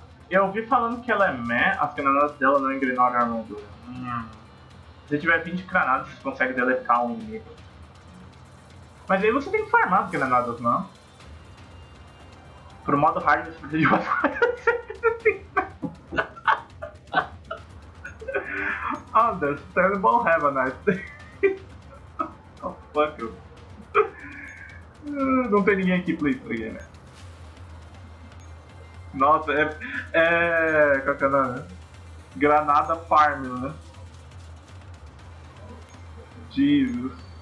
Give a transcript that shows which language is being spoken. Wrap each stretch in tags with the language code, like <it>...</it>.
<pt>Eu ouvi falando que ela é meh, as granadas dela não engrenaram a armadura. Se tiver 20 granadas, você consegue deletar um inimigo. Mas aí você tem que farmar as granadas, não? Pro modo hard, você precisa de umas coisas.</pt> <en>Understandable, have a nice day. Oh, fuck you.</en> <pt>Não tem ninguém aqui, please, pra game. Nossa, é... Qual que é o nome? Granada farm, né? Jesus.</pt>